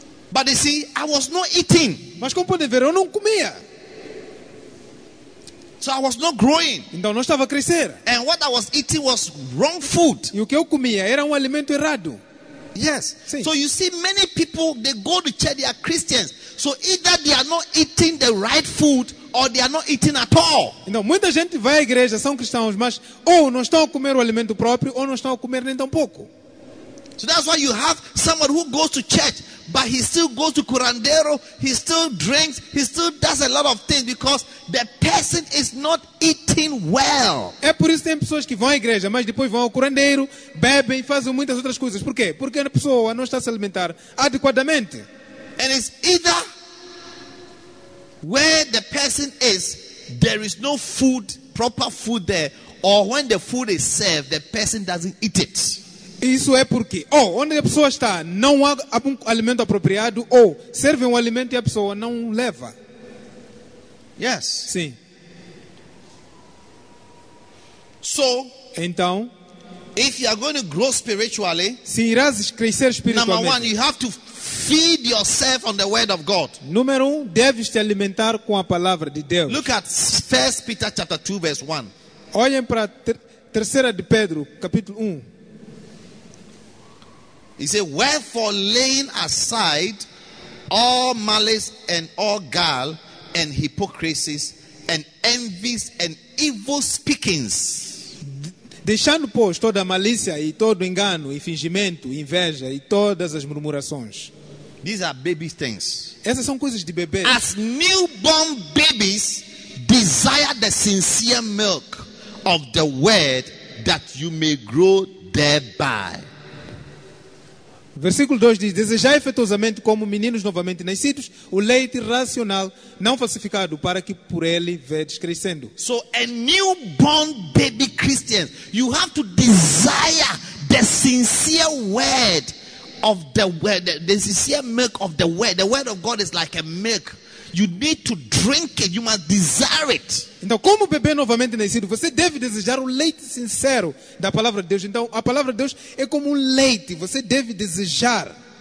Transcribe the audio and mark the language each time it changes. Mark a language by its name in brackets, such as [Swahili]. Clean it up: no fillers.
[English] But you see, I was not eating. [Portuguese] Mas como podem ver, eu não comia. [English] So I was not growing. [Portuguese] Então não estava a crescer. [English] And what I was eating was wrong food. [Portuguese] E o que eu comia era alimento errado. [English] Yes. [Portuguese] Sim. [English] So you see, many people, they go to church, they are Christians. So either they are not eating the right food or they are not eating at all. [Portuguese] Então muita gente vai à igreja, são cristãos, mas ou não estão a comer o alimento próprio ou não estão a comer nem tão pouco. [English] So that's why you have someone who goes to church, but he still goes to curandero, he still drinks, he still does a lot of things because the person is not eating well. [Portuguese] É por isso que tem pessoas que vão à igreja, mas depois vão ao curandeiro, bebem e fazem muitas outras coisas. Por quê? Porque a pessoa não está a se alimentar adequadamente. [English] And it's either where the person is, there is no food, proper food there, or when the food is served, the person doesn't eat it. [Portuguese] Isso é porque, ou onde a pessoa está, não há um alimento apropriado, ou serve um alimento e a pessoa não leva. [English] Yes. [Portuguese] Sim. [English] So, [Portuguese] então, [English] if you are going to grow spiritually, [Portuguese] se irás crescer espiritualmente, [English] number one, you have to feed yourself on the word of God. [Portuguese] Número um, deves te alimentar com a palavra de Deus. [English] Look at 1 Peter chapter 2 verse 1. [Portuguese] Olhem para 3 de Pedro, capítulo 1. [English] He said, wherefore laying aside all malice and all guile and hypocrisies and envies and evil speakings. [Portuguese] Deixando, pois, toda malícia e todo engano e fingimento, inveja e todas as murmurações. [English] These are baby things. [Portuguese] Essas são coisas de bebê. [English] As newborn babies desire the sincere milk of the word that you may grow thereby. [Portuguese] Versículo 2 diz, desejai efetuosamente como meninos novamente nascidos, o leite racional, não falsificado, para que por ele vedes crescendo. [English] So, a newborn baby Christian, you have to desire the sincere word of the word, the sincere milk of the word. The word of God is like a milk. You need to drink it, you must desire it. [Portuguese] Então, como bebê novamente nascido, você deve desejar o leite sincero da palavra de Deus. Então, a palavra de Deus é como um leite, você deve desejar.